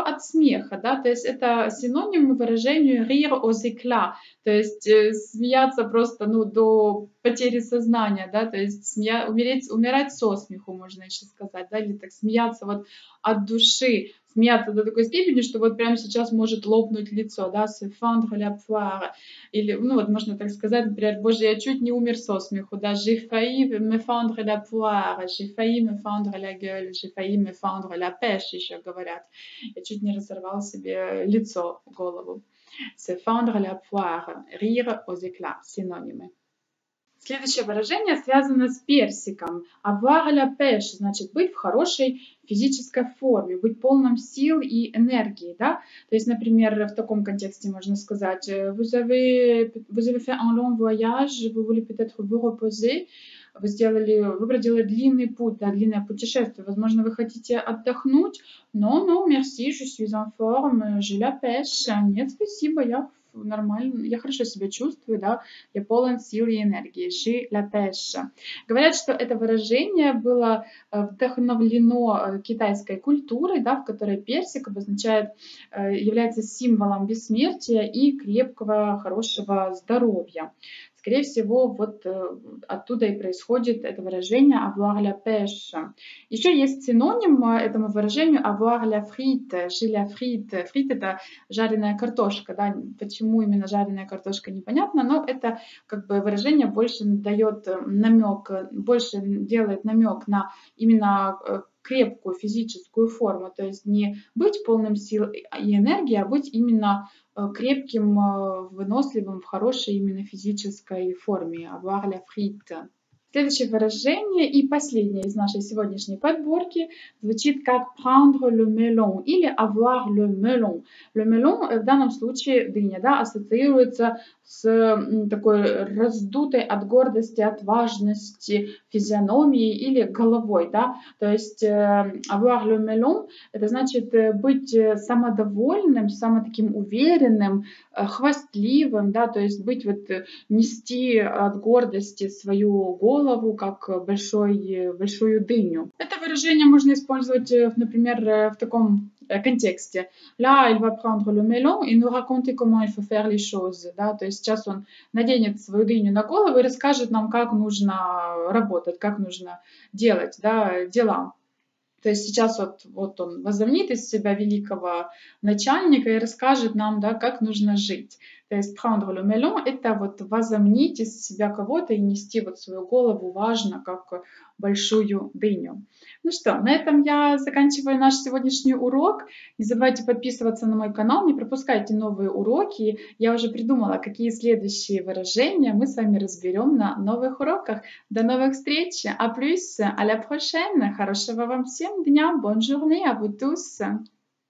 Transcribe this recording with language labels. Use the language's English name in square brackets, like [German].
[Russian] От смеха, да, то есть это синоним выражению [French] «rire aux éclats», [Russian] то есть смеяться просто, ну, до потери сознания, да, то есть умирать со смеху, можно еще сказать, да, или так смеяться вот от души, смеяться до такой степени, что вот прямо сейчас может лопнуть лицо, да, [French] «se fendre la poire», [Russian] или, ну, вот можно так сказать, например, «Боже, я чуть не умер со смеху», да, [French] «j'ai failli me fendre la poire», «j'ai failli me fendre la gueule», «j'ai failli me fendre la pêche», [Russian] еще говорят, «я чуть не разорвал себе лицо, голову». [French] «Se fendre la poire», «rire aux éclats», синонимы. [Russian] Следующее выражение связано с персиком. [French] «Avoir la pêche» [Russian] значит быть в хорошей физической форме, быть полным сил и энергии, да? То есть, например, в таком контексте можно сказать: [French] «Vous avez fait un long voyage, vous voulez peut-être vous reposer». [Russian] Вы проделали длинный путь, да, длинное путешествие. Возможно, вы хотите отдохнуть. [French] Но, merci, je suis en forme, je la pêche. [Russian] Нет, спасибо, я нормально, я хорошо себя чувствую, да, я полон сил и энергии. [French] Je la pêche. [Russian] Говорят, что это выражение было вдохновлено китайской культурой, да, в которой персик обозначает, является символом бессмертия и крепкого, хорошего здоровья. Скорее всего, вот оттуда и происходит это выражение [French] «avoir la pêche». [Russian] Еще есть синоним этому выражению [French] «avoir la frite», «j'ai la frite». [Russian] «Frite» — это жареная картошка, да? Почему именно жареная картошка, непонятно, но это как бы выражение больше дает намек, больше делает намек на именно крепкую физическую форму, то есть не быть полным сил и энергии, а быть именно крепким, выносливым, в хорошей именно физической форме. [French] Avoir la frite. [Russian] Следующее выражение и последнее из нашей сегодняшней подборки звучит как [French] prendre le melon [Russian] или [French] avoir le melon. [Russian] Le melon в данном случае дыня, да, ассоциируется с такой раздутой от гордости, отважности, физиономией или головой, да. То есть [French] avoir le melon [Russian] — это значит быть самодовольным, самотаким уверенным, хвастливым, да, то есть быть вот, нести от гордости свою голову, как большую дыню. Это выражение можно использовать, например, в таком контексте. [French] Là, il va prendre le melon et nous raconter comment il faut faire les choses. [Russian] Да, то есть сейчас он наденет свою дыню на голову и расскажет нам, как нужно работать, как нужно делать, да, дела. То есть сейчас вот он возомнит из себя великого начальника и расскажет нам, да, как нужно жить. То есть [French] prendre le melon [Russian] — это вот возомнить из себя кого-то и нести вот свою голову важно, как большую дыню. Ну что, на этом я заканчиваю наш сегодняшний урок. Не забывайте подписываться на мой канал, не пропускайте новые уроки. Я уже придумала, какие следующие выражения мы с вами разберем на новых уроках. До новых встреч! [French] А плюс, à la prochaine! [Russian] Хорошего вам всем дня! [French] Bonne journée à vous tous!